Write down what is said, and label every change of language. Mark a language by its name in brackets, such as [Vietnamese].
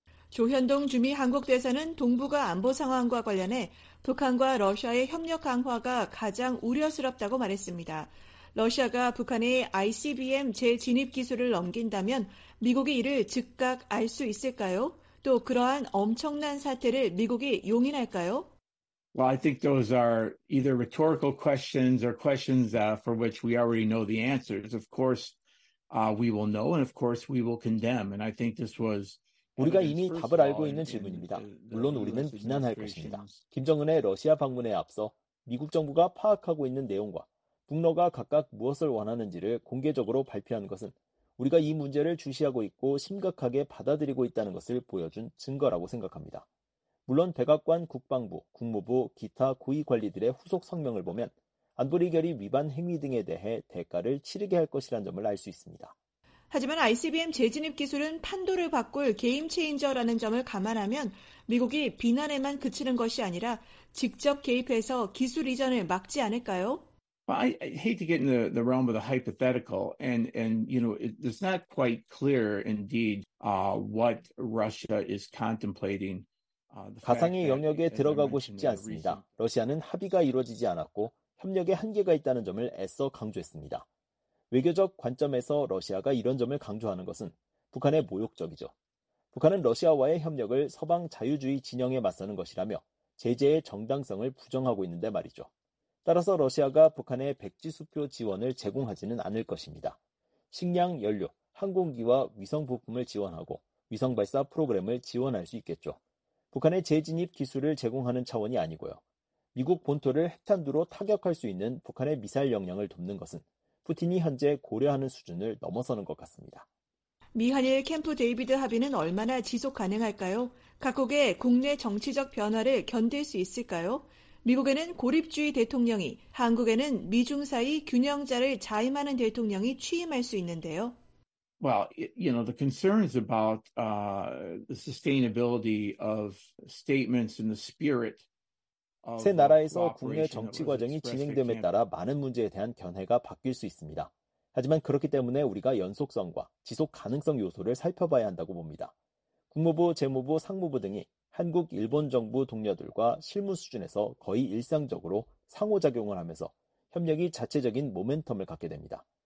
[Korean] 조현동 주미 한국대사는 동북아 안보 상황과 관련해 북한과 러시아의 협력 강화가 가장 우려스럽다고 말했습니다. 러시아가 북한의 ICBM 재진입 기술을 넘긴다면 미국이 이를 즉각 알 수 있을까요? 또 그러한 엄청난 사태를 미국이 용인할까요? [English] Well, I think those are either rhetorical questions or questions for which we already know the answers. Of course, we will know and of course we will condemn. And I think this was [Korean] 우리가 이미 답을 알고 있는 질문입니다. 물론 우리는 비난할 것입니다. 김정은의 러시아 방문에 앞서 미국 정부가 파악하고 있는 내용과 북러가 각각 무엇을 원하는지를 공개적으로 발표한 것은 우리가 이 문제를 주시하고 있고 심각하게 받아들이고 있다는 것을 보여준 증거라고 생각합니다. 물론 백악관 국방부, 국무부, 기타 고위 관리들의 후속 성명을 보면 안보리 결의 위반 행위 등에 대해 대가를 치르게 할 것이란 점을 알 수 있습니다. 하지만 ICBM 재진입 기술은 판도를 바꿀 게임 체인저라는 점을 감안하면 미국이 비난에만 그치는 것이 아니라 직접 개입해서 기술 이전을 막지 않을까요? [English] Well, I hate to get in the realm of the hypothetical, and you know it's not quite clear indeed what Russia is contemplating. [Korean] 가상의 영역에 들어가고 싶지 않습니다. 러시아는 합의가 이루어지지 않았고 협력에 한계가 있다는 점을 애써 강조했습니다. 외교적 관점에서 러시아가 이런 점을 강조하는 것은 북한의 모욕적이죠. 북한은 러시아와의 협력을 서방 자유주의 진영에 맞서는 것이라며 제재의 정당성을 부정하고 있는데 말이죠. 따라서 러시아가 북한에 백지수표 지원을 제공하지는 않을 것입니다. 식량, 연료, 항공기와 위성 부품을 지원하고 위성 발사 프로그램을 지원할 수 있겠죠. 북한의 재진입 기술을 제공하는 차원이 아니고요. 미국 본토를 핵탄두로 타격할 수 있는 북한의 미사일 역량을 돕는 것은 푸틴이 현재 고려하는 수준을 넘어서는 것 같습니다. 미한일 캠프 데이비드 합의는 얼마나 지속 가능할까요? 각국의 국내 정치적 변화를 견딜 수 있을까요? 미국에는 고립주의 대통령이, 한국에는 미중 사이 균형자를 자임하는 대통령이 취임할 수 있는데요. [English] Well, you know, the concerns about the sustainability of statements in the spirit [Korean] 세 나라에서 국내 정치 과정이 진행됨에 따라 많은 문제에 대한 견해가 바뀔 수 있습니다. 하지만 그렇기 때문에 우리가 연속성과 지속 가능성 요소를 살펴봐야 한다고 봅니다. 국무부, 재무부, 상무부 등이 한국, 일본 정부 동료들과 실무 수준에서 거의 일상적으로 상호작용을 하면서 협력이 자체적인 모멘텀을 갖게 됩니다.